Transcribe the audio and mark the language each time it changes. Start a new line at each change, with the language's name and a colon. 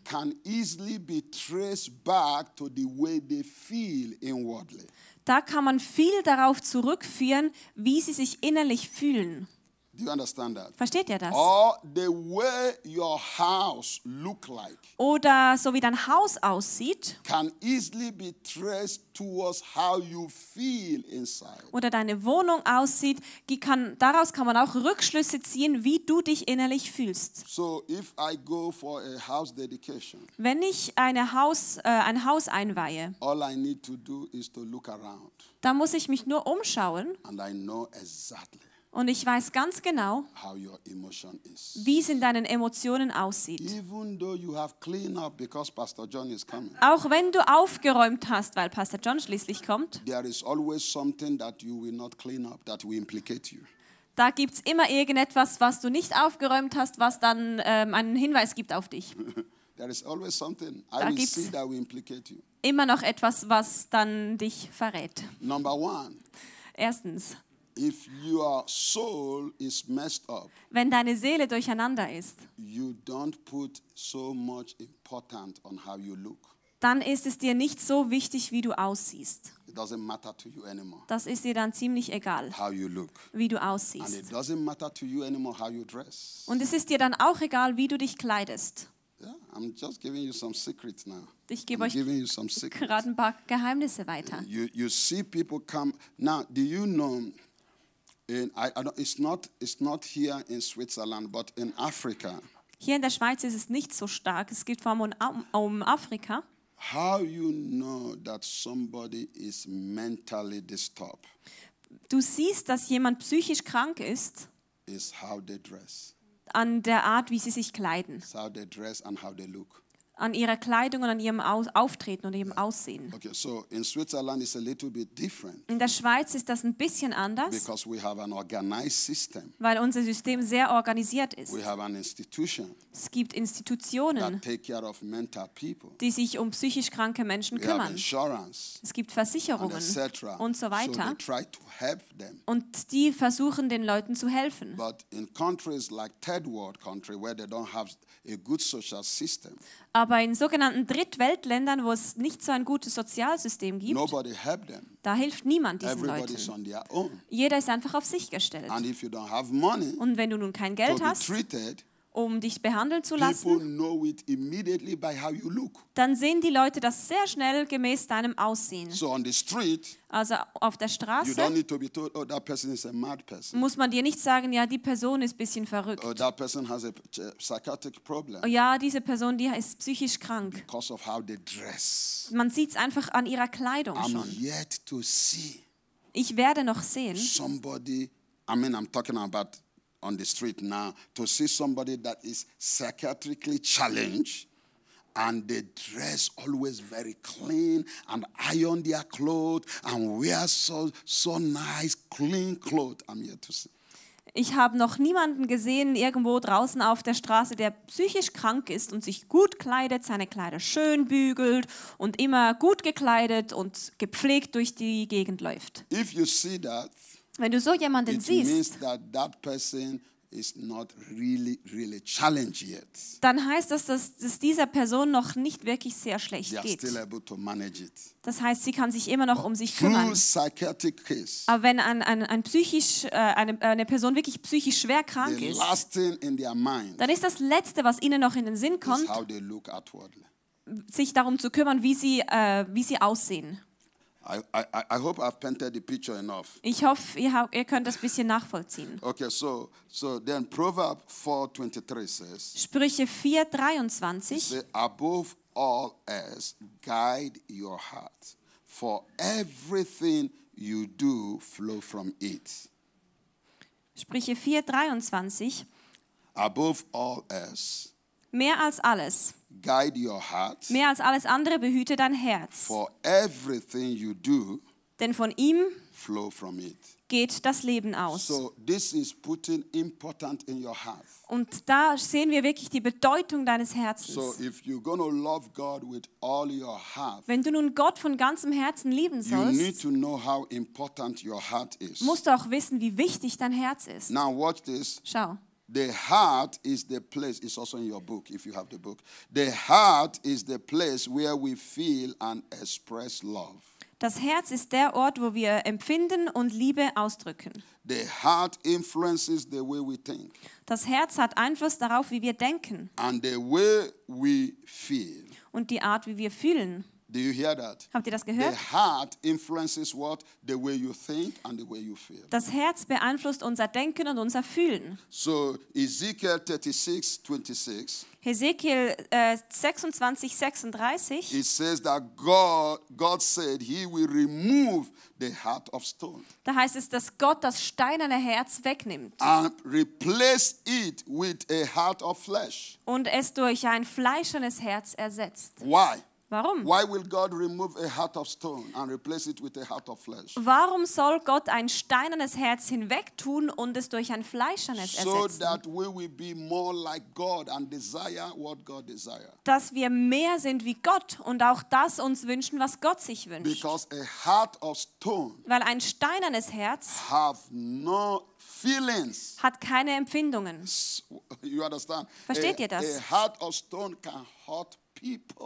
English: can easily be traced back to the way they feel inwardly.
German: Da kann man viel darauf zurückführen, wie sie sich innerlich fühlen.
English: Do you understand that?
German: Versteht ihr das?
English: Or the way your house look like.
German: Oder so wie dein Haus aussieht.
English: Can easily be traced towards how you feel inside.
German: Oder deine Wohnung aussieht. Daraus kann man auch Rückschlüsse ziehen, wie du dich innerlich fühlst.
English: So if I go for a house dedication.
German: Wenn ich ein Haus einweihe.
English: All I need to do is to look around.
German: Da muss ich mich nur umschauen.
English: And I know exactly.
German: Und ich weiß ganz genau,
English: how your emotion is.
German: Wie es in deinen Emotionen aussieht.
English: Even though you have cleaned up because Pastor John is coming.
German: Auch wenn du aufgeräumt hast, weil Pastor John schließlich kommt.
English: There is always something that you will not clean up that will implicate you.
German: Da gibt's immer irgendetwas, was du nicht aufgeräumt hast, was dann einen Hinweis gibt auf dich.
English: There is always something I will see that will implicate you.
German: Immer noch etwas, was dann dich verrät.
English: Number one.
German: Erstens.
English: If your soul is messed up,
German: wenn deine Seele durcheinander ist,
English: you don't put so much importance on how you look.
German: Dann ist es dir nicht so wichtig, wie du aussiehst.
English: It doesn't matter to you anymore.
German: Das ist dir dann ziemlich egal,
English: how you look.
German: Wie du aussiehst.
English: And it doesn't matter to you anymore how you dress.
German: Und es ist dir dann auch egal, wie du dich kleidest.
English: Yeah, I'm just giving you some secrets now.
German: Ich gebe euch gerade ein paar Geheimnisse weiter.
English: You see people come. Now, do you know, it's not here in Switzerland, but in Africa.
German: Hier in der Schweiz ist es nicht so stark. Es geht vor allem um Afrika.
English: How you know that somebody is mentally disturbed?
German: Du siehst, dass jemand psychisch krank ist.
English: Is how they dress.
German: An der Art, wie sie sich kleiden.
English: It's how they dress and how they look.
German: An ihrer Kleidung und an ihrem Auftreten und ihrem Aussehen.
English: Okay, so in Switzerland it's a little bit different.
German: In der Schweiz ist das ein bisschen anders.
English: Because we have an organized system.
German: Weil unser System sehr organisiert ist.
English: We have an institution.
German: Es gibt Institutionen,
English: that take care of mental people.
German: Die sich um psychisch kranke Menschen
English: we
German: kümmern.
English: Have insurance.
German: Es gibt Versicherungen
English: and etc.
German: und so weiter.
English: So they try to help them.
German: Und die versuchen den Leuten zu helfen.
English: But in countries like third world country where they don't have a good social system.
German: Aber in sogenannten Drittweltländern, wo es nicht so ein gutes Sozialsystem gibt, da hilft niemand diesen
English: Everybody's
German: Leuten. Jeder ist einfach auf sich gestellt.
English: And if you don't have money,
German: und wenn du nun kein Geld hast,
English: treated,
German: um dich behandeln zu lassen,
English: people know it immediately by how you look.
German: Dann sehen die Leute das sehr schnell gemäß deinem Aussehen.
English: So on the street,
German: also auf der Straße
English: you don't need to be told, oh, that person is a mad person.
German: Muss man dir nicht sagen, ja, die Person ist ein bisschen verrückt.
English: Oh, that person has a psychiatric problem.
German: Ja, diese Person, die ist psychisch krank.
English: Because of how they dress.
German: Man sieht es einfach an ihrer Kleidung
English: I'm
German: schon.
English: Yet to see
German: ich werde noch sehen,
English: somebody, I mean, I'm talking about on the street now to see somebody that is psychiatrically challenged and they dress always very clean and iron their clothes and wear so nice clean clothes. I'm here to see.
German: Ich habe noch niemanden gesehen irgendwo draußen auf der Straße, der psychisch krank ist und sich gut kleidet, seine Kleider schön bügelt und immer gut gekleidet und gepflegt durch die Gegend läuft.
English: If you see that,
German: wenn du so jemanden
English: it
German: siehst,
English: means that that person is not really, really challenged yet.
German: Dann heißt das, dass dieser Person noch nicht wirklich sehr schlecht
English: they are
German: geht.
English: Still able to manage it.
German: Das heißt, sie kann sich immer noch um sich kümmern.
English: Psychiatric case,
German: aber wenn eine Person wirklich psychisch schwer krank
English: the
German: ist,
English: last thing in their mind,
German: dann ist das Letzte, was ihnen noch in den Sinn kommt,
English: is how they look outwardly.
German: Sich darum zu kümmern, wie sie aussehen.
English: I hope I've painted the picture enough.
German: Ich hoffe, ihr könnt das ein bisschen nachvollziehen.
English: Okay, so then Proverbs 4:23 says.
German: Sprüche 4:23.
English: Say, above all else, guide your heart, for everything you do flow from it.
German: Sprüche 4:23.
English: Above all else.
German: Mehr als alles.
English: Guide your heart.
German: Mehr als alles andere behüte dein Herz.
English: For everything you do,
German: denn von ihm
English: flow from it.
German: Geht das Leben aus.
English: So this is putting important in your heart.
German: Und da sehen wir wirklich die Bedeutung deines Herzens.
English: So if you're gonna love God with all your heart,
German: wenn du nun Gott von ganzem Herzen lieben sollst,
English: you need to know how important your heart is.
German: Musst du auch wissen, wie wichtig dein Herz ist.
English: Now watch this.
German: Schau.
English: The heart is the place, it's also in your book, if you have the book. The heart is the place where we feel and express love.
German: Das Herz ist der Ort, wo wir empfinden und Liebe ausdrücken.
English: The heart influences the way we think.
German: Das Herz hat Einfluss darauf, wie wir denken.
English: And the way we feel.
German: Und die Art, wie wir fühlen.
English: Do you hear that?
German: Habt ihr das gehört?
English: The heart influences what the way you think and the way you feel.
German: Das Herz beeinflusst unser Denken und unser Fühlen.
English: So Ezekiel 36:26.
German: Ezekiel 36:36.
English: It says that God said he will remove the heart of stone.
German: Da heißt es, dass Gott das steinerne Herz wegnimmt.
English: And replace it with a heart of flesh.
German: Und es durch ein fleischernes Herz ersetzt.
English: Why?
German: Warum?
English: Why will God remove a heart of stone and replace it with a heart of flesh?
German: Warum soll Gott ein steinernes Herz hinwegtun und es durch ein fleischernes ersetzen?
English: So that we will be more like God and desire what God desires.
German: Dass wir mehr sind wie Gott und auch das uns wünschen, was Gott sich wünscht.
English: Because a heart of stone.
German: Weil ein steinernes Herz
English: have no feelings.
German: Hat keine Empfindungen.
English: You understand?
German: Versteht ihr das?
English: A heart of stone can hurt people.